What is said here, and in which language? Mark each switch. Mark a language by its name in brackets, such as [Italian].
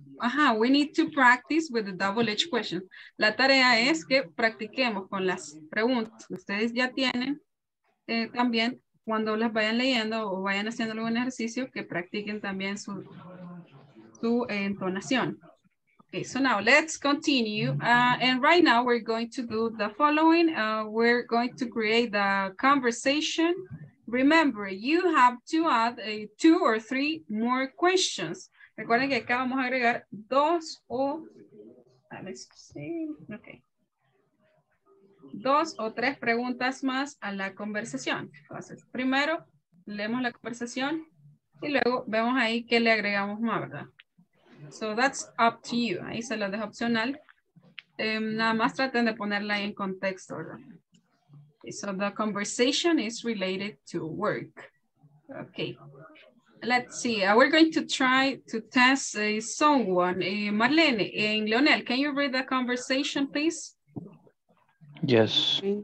[English] Ajá, we need to practice with the double H question. [Spanish] La tarea es que practiquemos con las preguntas. Ustedes ya tienen también, cuando las vayan leyendo o vayan haciendo algún ejercicio, que practiquen también su entonación. [English] Okay, so now let's continue. And right now we're going to do the following. We're going to create the conversation. Remember, you have to add two or three more questions. [Spanish] Recuerden que acá vamos a agregar dos o, [English] let's see, okay. [Spanish] Dos o tres preguntas más a la conversación. Entonces, primero leemos la conversación y luego vemos ahí qué le agregamos más, ¿verdad? [English] So that's up to you. [Spanish] Ahí se lo dejo opcional. Nada más traten de ponerla ahí en contexto, ¿verdad? [English] Okay, so the conversation is related to work. Okay. Let's see, we're going to try to test someone. Marlene and Leonel, can you read the conversation, please? Yes.